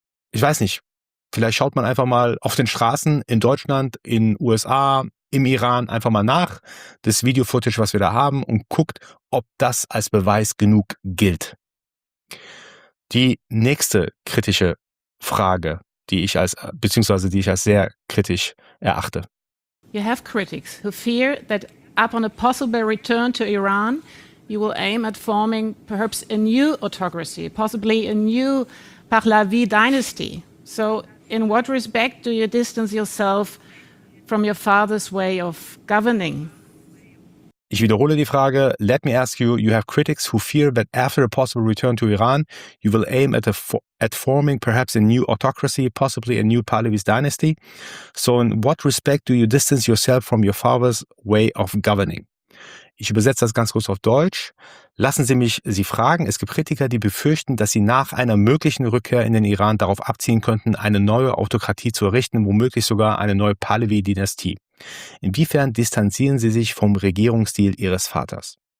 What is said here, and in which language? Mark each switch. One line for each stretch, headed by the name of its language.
German: Ich weiß nicht. Vielleicht schaut man einfach mal auf den Straßen in Deutschland, in USA, im Iran einfach mal nach, das Video-Footage, was wir da haben, und guckt, ob das als Beweis genug gilt. Die nächste kritische Frage, die ich als sehr kritisch erachte.
English: You have critics who fear that upon a possible return to Iran, you will aim at forming perhaps a new autocracy, possibly a new Pahlavi dynasty. So in what respect do you distance yourself from your father's way of governing?
German: Ich wiederhole die Frage.
English: Let me ask you, you have critics who fear that after a possible return to Iran, you will aim at forming perhaps a new autocracy, possibly a new Pahlavi dynasty. So in what respect do you distance yourself from your father's way of governing?
German: Ich übersetze das ganz kurz auf Deutsch. Lassen Sie mich Sie fragen. Es gibt Kritiker, die befürchten, dass Sie nach einer möglichen Rückkehr in den Iran darauf abziehen könnten, eine neue Autokratie zu errichten, womöglich sogar eine neue Pahlavi-Dynastie. Inwiefern distanzieren Sie sich vom Regierungsstil Ihres Vaters?